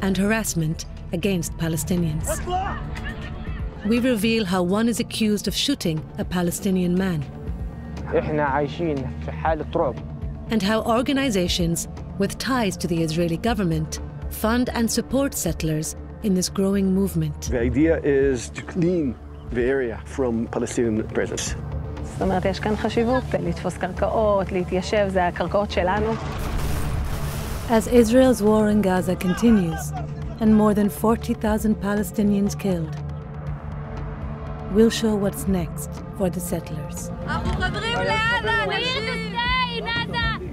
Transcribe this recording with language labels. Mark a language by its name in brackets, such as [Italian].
[English] And harassment against Palestinians. We reveal how one is accused of shooting a Palestinian man. [Arabic] إحنا عايشين في حالة رعب. [English] And how organizations with ties to the Israeli government fund and support settlers in this growing movement. The idea is to clean the area from Palestinian presence. [Hebrew] זאת אומרת, יש כאן חשיבות לתפוס קרקעות, להתיישב, זה הקרקעות שלנו. [English] As Israel's war in Gaza continues, and more than 40,000 Palestinians killed, we'll show what's next for the settlers. [Hebrew] אנחנו חוזרים לעזה, נעיר את הסטי, נעזה!